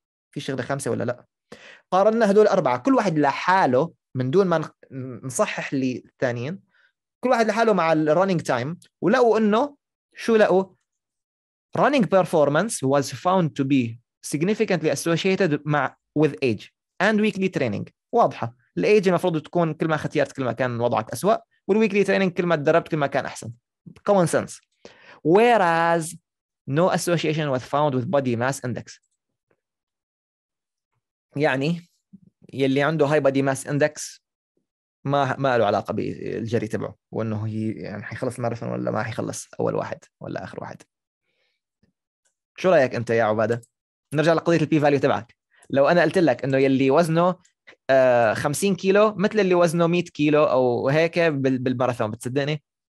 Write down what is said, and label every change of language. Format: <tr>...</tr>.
<ar>في شغله خمسه ولا لا، قارنا هدول الاربعه كل واحد لحاله من دون ما نصحح للثانيين، كل واحد لحاله مع الرننج تايم، ولقوا انه شو لقوا</ar> <en>running performance was found to be significantly associated</en> <ar>مع</ar> <en>with age and weekly training.</en> <ar>واضحة الايج المفروض تكون كل ما اختيرت كل ما كان وضعك أسوأ، والويكلي تريننج كل ما تدربت كل ما كان أحسن.</ar> <en>common sense. whereas no association was found with body mass index.</en> <ar>يعني يلي عنده</ar> <en>high body mass index</en> <ar>ما له علاقة بالجري تبعه، وانه هي يعني حيخلص الماراثون ولا ما حيخلص، اول واحد ولا اخر واحد. شو رأيك انت يا عبادة؟ نرجع لقضية البي فاليو تبعك. لو أنا قلت لك إنه يلي وزنه 50 كيلو مثل اللي وزنه 100 كيلو أو هيك بالماراثون، بتصدقني؟</ar>